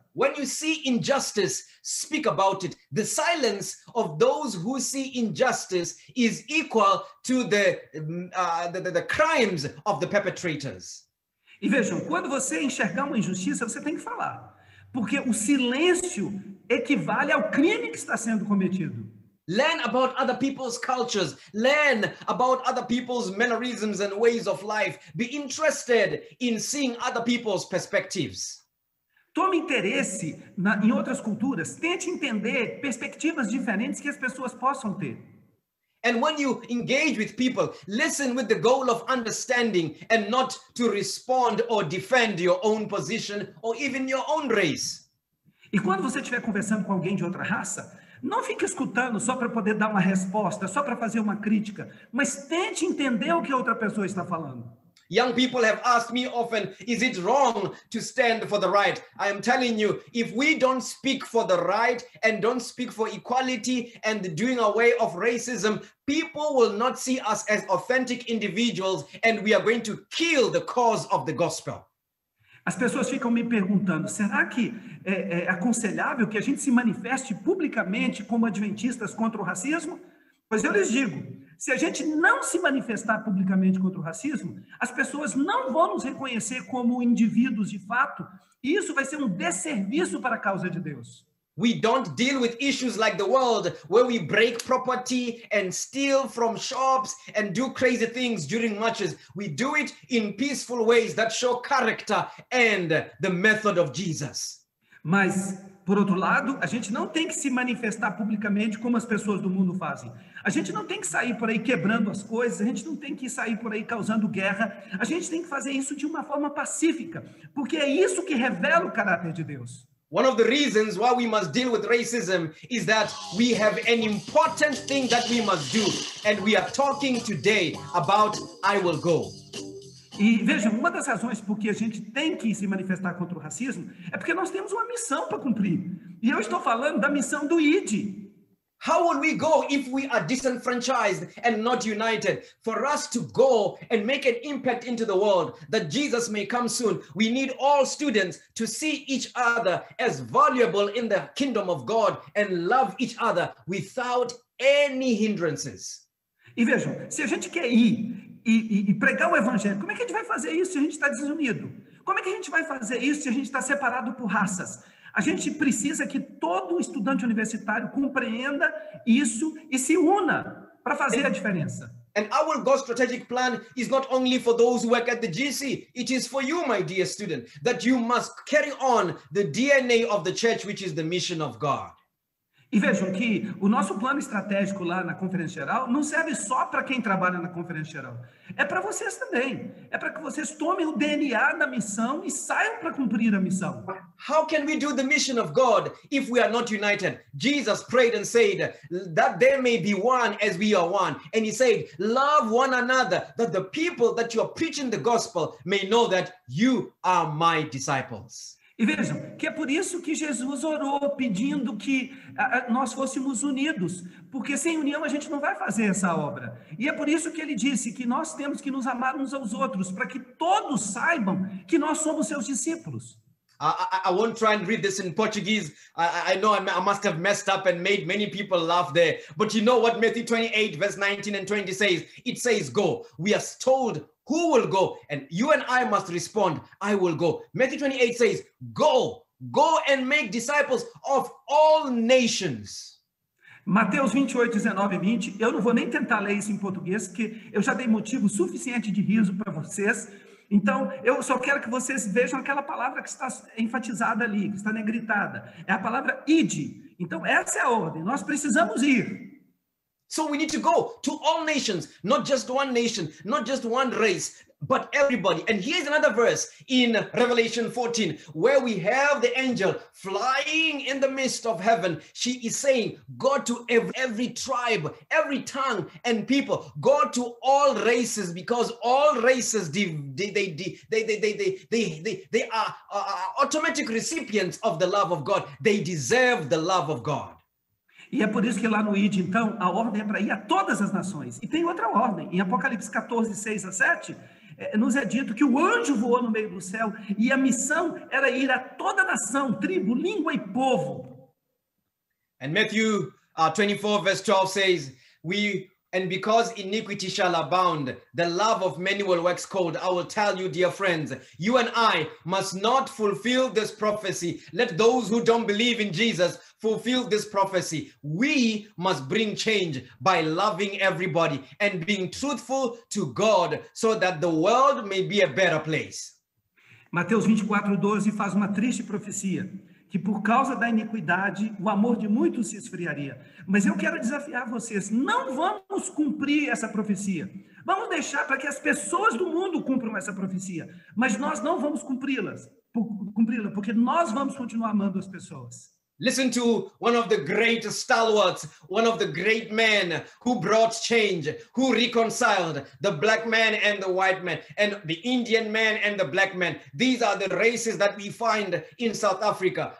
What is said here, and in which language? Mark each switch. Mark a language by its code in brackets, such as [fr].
[en] When you see injustice, speak about it. The silence of those who see injustice is equal to the crimes of the perpetrators. [pt] E vejam, quando você enxergar uma injustiça, você tem que falar. Porque o silêncio equivale ao crime que está sendo cometido. [en] Learn about other people's cultures. Learn about other people's mannerisms and ways of life. Be interested in seeing other people's perspectives. [pt] Tome interesse em outras culturas. Tente entender perspectivas diferentes que as pessoas possam ter. [en] And when you engage with people, listen with the goal of understanding and not to respond or defend your own position or even your own race. [pt] E quando você estiver conversando com alguém de outra raça, não fique escutando só para poder dar uma resposta, só para fazer uma crítica, mas tente entender o que a outra pessoa está falando. [en] Young people have asked me often, is it wrong to stand for the right? I am telling you, if we don't speak for the right and don't speak for equality and doing away of racism, people will not see us as authentic individuals and we are going to kill the cause of the gospel. [pt] As pessoas ficam me perguntando, será que é aconselhável que a gente se manifeste publicamente como adventistas contra o racismo? Pois eu lhes digo, se a gente não se manifestar publicamente contra o racismo, as pessoas não vão nos reconhecer como indivíduos de fato, e isso vai ser um desserviço para a causa de Deus. [en] We don't deal with issues like the world, where we break property and steal from shops and do crazy things during marches. We do it in peaceful ways that show character and the method of Jesus. [pt] Mas, por outro lado, a gente não tem que se manifestar publicamente como as pessoas do mundo fazem. A gente não tem que sair por aí quebrando as coisas, a gente não tem que sair por aí causando guerra. A gente tem que fazer isso de uma forma pacífica, porque é isso que revela o caráter de Deus. [en] One of the reasons why we must deal with racism is that we have an important thing that we must do, and we are talking today about I Will Go. [pt] E vejam, uma das razões por que a gente tem que se manifestar contra o racismo é porque nós temos uma missão para cumprir. E eu estou falando da missão do ID. [en] How would we go if we are disenfranchised and not united? For us to go and make an impact into the world, that Jesus may come soon, we need all students to see each other as valuable in the kingdom of God and love each other without any hindrances. [pt] E vejam, se a gente quer ir e pregar o evangelho, como é que a gente vai fazer isso se a gente está desunido? Como é que a gente vai fazer isso se a gente está separado por raças? A gente precisa que todo estudante universitário compreenda isso e se una para fazer a diferença. [en] And our God strategic plan is not only for those who work at the GC, it is for you, my dear student, that you must carry on the DNA of the church, which is the mission of God. [pt] E vejam que o nosso plano estratégico lá na Conferência Geral não serve só para quem trabalha na Conferência Geral. É para vocês também. É para que vocês tomem o DNA da missão e saiam para cumprir a missão. [en] How can we do the mission of God if we are not united? Jesus prayed and said that they may be one as we are one. And he said, love one another, that the people that you are preaching the gospel may know that you are my disciples. [pt] E vejam, que é por isso que Jesus orou pedindo que nós fôssemos unidos, porque sem união a gente não vai fazer essa obra. E é por isso que ele disse que nós temos que nos amar uns aos outros, para que todos saibam que nós somos seus discípulos. [en] I won't try and read this in Portuguese. I know I must have messed up and made many people laugh there. But you know what Matthew 28, verse 19 and 20 says? It says, go. We are told who will go. And you and I must respond, I will go. Matthew 28 says, go. Go and make disciples of all nations. [pt] Mateus 28, 19 e 20. Eu não vou nem tentar ler isso em português, porque eu já dei motivo suficiente de riso para vocês. Então, eu só quero que vocês vejam aquela palavra que está enfatizada ali, que está negritada. É a palavra ide. Então, essa é a ordem. Nós precisamos ir. [en] So we need to go to all nations, not just one nation, not just one race, but everybody. And here's another verse in Revelation 14, where we have the angel flying in the midst of heaven. She is saying, go to every tribe, every tongue and people, go to all races, because all races, they are automatic recipients of the love of God. They deserve the love of God. [pt] E é por isso que lá no ID, então, a ordem é para ir a todas as nações. E tem outra ordem. Em Apocalipse 14, 6 a 7, nos é dito que o anjo voou no meio do céu e a missão era ir a toda nação, tribo, língua e povo. [en] And Matthew 24, verse 12 says, and because iniquity shall abound, the love of many will wax cold. I will tell you, dear friends, you and I must not fulfill this prophecy. Let those who don't believe in Jesus fulfill this prophecy. We must bring change by loving everybody and being truthful to God so that the world may be a better place. [pt] Mateus 24:12 faz uma triste profecia, que por causa da iniquidade, o amor de muitos se esfriaria. Mas eu quero desafiar vocês, não vamos cumprir essa profecia. Vamos deixar para que as pessoas do mundo cumpram essa profecia. Mas nós não vamos cumpri-la, porque nós vamos continuar amando as pessoas. [en] Listen to one of the great stalwarts, one of the great men who brought change, who reconciled the black man and the white man, and the Indian man and the black man. These are the races that we find in South Africa.